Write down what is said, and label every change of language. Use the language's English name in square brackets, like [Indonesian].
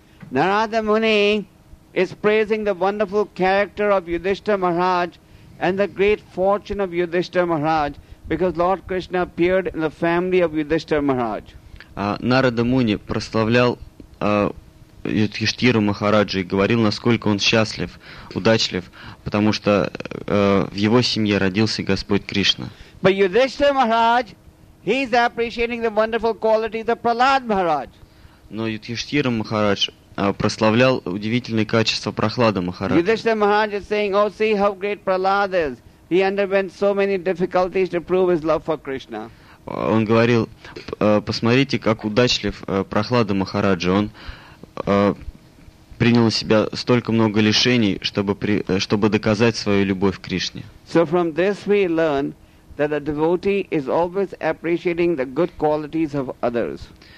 [English] Narada Muni is praising the wonderful character of Yudhishthira Maharaj and the great fortune of Yudhishthira Maharaj because Lord Krishna appeared in the family of Yudhishthira Maharaj. [Russian] Narada Muni прославлял Юдхиштхиру Махараджу и говорил, насколько он счастлив, удачлив, потому что в его семье родился Господь Кришна. [English] But Yudhishthira Maharaj, he's appreciating the wonderful qualities of Prahlad Maharaj. [Russian] Но Юдхиштхира Махарадж прославлял удивительные качества Прахлада Махараджа. [English] Yudhishthira Maharaj is saying, oh, see how great Prahlad is. He underwent so many difficulties to prove his love for Krishna. [Russian] Он говорил, посмотрите, как удачлив Прахлада Махараджа. Он принял на себя столько много лишений, чтобы доказать свою любовь к Кришне. [English] So from this we learn that a devotee is always appreciating the good qualities of others.